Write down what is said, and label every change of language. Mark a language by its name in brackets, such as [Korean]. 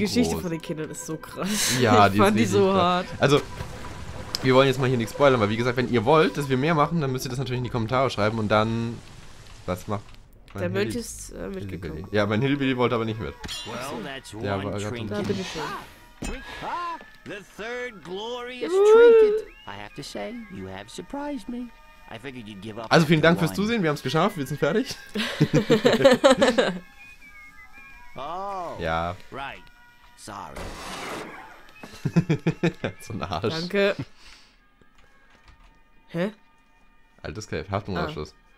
[German] Geschichte groß. Die Geschichte von den Kindern ist so krass. Ja, ich die fand ist die so hart. Also, wir wollen jetzt mal hier nichts spoilern, weil wie gesagt, wenn ihr wollt, dass wir mehr machen, dann müsst ihr das natürlich in die Kommentare schreiben und dann... Was macht... Der Mönch ist mitgekommen. Hillbilly. Ja, mein Hillbilly wollte aber nicht mit. Ja, aber gerade so... [English] The third glorious trinket. I have to say, you have surprised me. I figured you'd give up. [German] Also vielen Dank fürs Zusehen. Wir haben es geschafft. Wir sind fertig. Oh. Ja. [English] Right. Sorry. [German] So ein Arsch. Danke. Hä? Altes Cave. Haftungsausschluss.